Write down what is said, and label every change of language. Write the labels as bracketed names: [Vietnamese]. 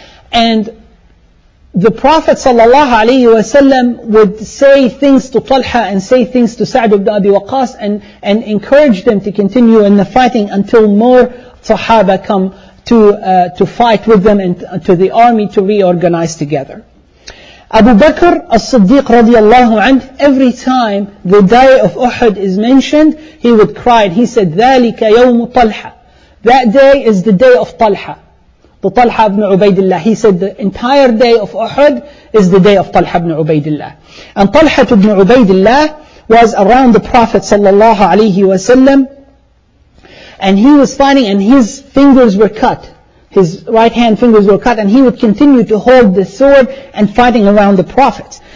[English] And the Prophet sallallahu alayhi wa sallam would say things to Talha and say things to Sa'd ibn Abi Waqas and encourage them to continue in the fighting until more Sahaba come to fight with them and to the army to reorganize together. Abu Bakr as-Siddiq radiyallahu anhu, every time the day of Uhud is mentioned, he would cry. He said, [Arabic] ذَلِكَ يَوْمُ طَلْحَ. [English] That day is the day of Talha. The Talha ibn Ubaidillah. He said the entire day of Uhud is the day of Talha ibn Ubaidillah. And Talha ibn Ubaidillah was around the Prophet sallallahu alayhi wa sallam. And he was fighting and his fingers were cut. His right hand fingers were cut and he would continue to hold the sword and fighting around the Prophet.